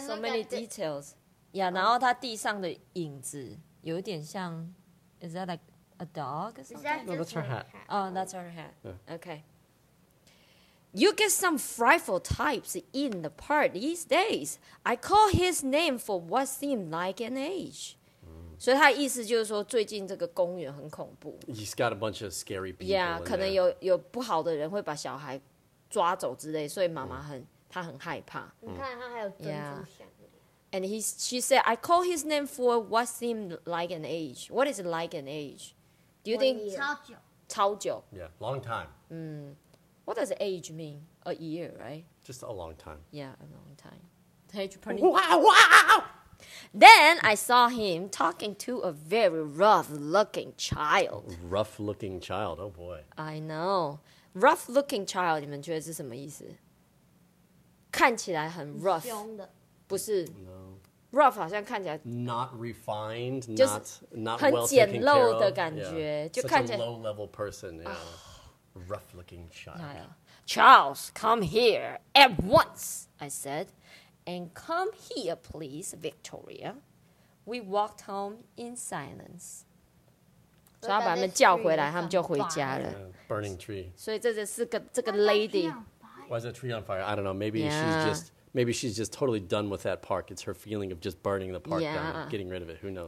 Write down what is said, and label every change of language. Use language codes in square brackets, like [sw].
[en] So many details. Yeah, [zh] 然后它地上的影子有点像 [en] is that like a dog or something? No, that's her hat. Oh, that's her hat. Okay. You get some frightful types in the park these days. I call his name for what seemed like an age. [zh] 所以他的意思就是说最近这个公园很恐怖。 [en] He's got a bunch of scary people. [zh] Yeah, 可能有不好的人会把小孩抓走之类，所以妈妈很他很害怕。你看他还有珍珠项链。 [en] And she said, I call his name for what seemed like an age. What is like an age? Do you think [zh] 超久 [en] Yeah, long time. What does age mean? A year, right? Just a long time. Yeah, a long time. Wow! Then I saw him talking to a very rough-looking child. Rough-looking child, oh boy. I know. Rough-looking child, [zh] 你们觉得是什么意思？看起来很 rough。凶的。不是。 [en] No. [zh] Rough 好像看起来。 [en] Not refined, not well taken care of. [zh] 很简陋的感觉。就看起来。 [en] Such a low-level person, yeah. Rough-looking child. Charles, come here at once, I said. And come here, please, Victoria. We walked home in silence. [zh] 所以要把他们叫回来，他们就回家了。 [en] Burning tree. [zh] 所以这是四个这个 lady. [en] Why is that tree on fire? I don't know. Maybe she's just totally done with that park. It's her feeling of just burning the park down, getting rid of it. Who knows?